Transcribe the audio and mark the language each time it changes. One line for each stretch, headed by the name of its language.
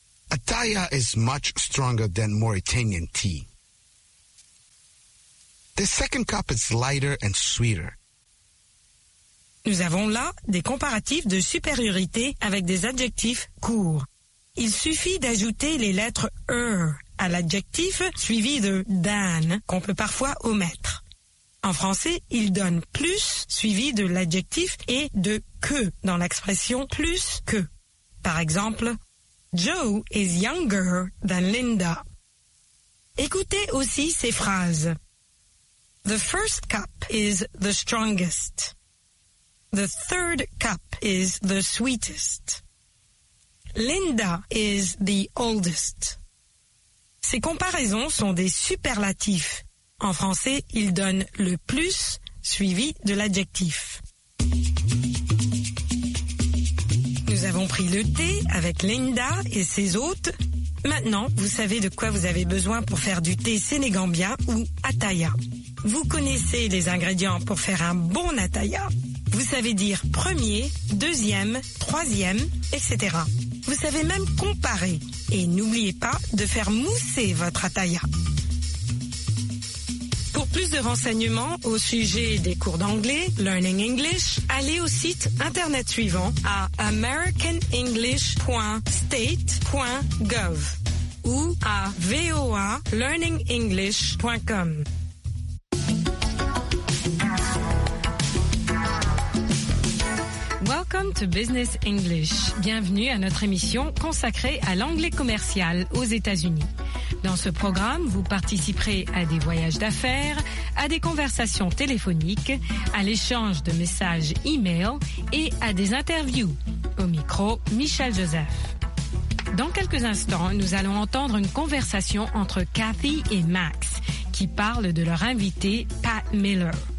English: Ataya is much stronger than Mauritanian tea. The second cup is lighter and sweeter.
French: Nous avons là des comparatifs de supériorité avec des adjectifs courts. Il suffit d'ajouter les lettres « er » à l'adjectif suivi de « than » qu'on peut parfois omettre. En français, il donne « plus » suivi de l'adjectif et de « que » dans l'expression « plus que ». Par exemple, «
English: Joe is younger than Linda ».
French: Écoutez aussi ces phrases.
English: « The first cup is the strongest ». The third cup is the sweetest. Linda is the oldest.
French: Ces comparaisons sont des superlatifs. En français, ils donnent le plus suivi de l'adjectif. Nous avons pris le thé avec Linda et ses hôtes. Maintenant, vous savez de quoi vous avez besoin pour faire du thé sénégambien ou ataya. Vous connaissez les ingrédients pour faire un bon ataya. Vous savez dire premier, deuxième, troisième, etc. Vous savez même comparer. Et n'oubliez pas de faire mousser votre ataya. Pour plus de renseignements au sujet des cours d'anglais, Learning English, allez au site internet suivant à americanenglish.state.gov ou à voalearningenglish.com.
English: Welcome to Business English.
French: Bienvenue à notre émission consacrée à l'anglais commercial aux États-Unis. Dans ce programme, vous participerez à des voyages d'affaires, à des conversations téléphoniques, à l'échange de messages e-mail et à des interviews. Au micro, Michel Joseph. Dans quelques instants, nous allons entendre une conversation entre Kathy et Max qui parlent de leur invité Pat Miller.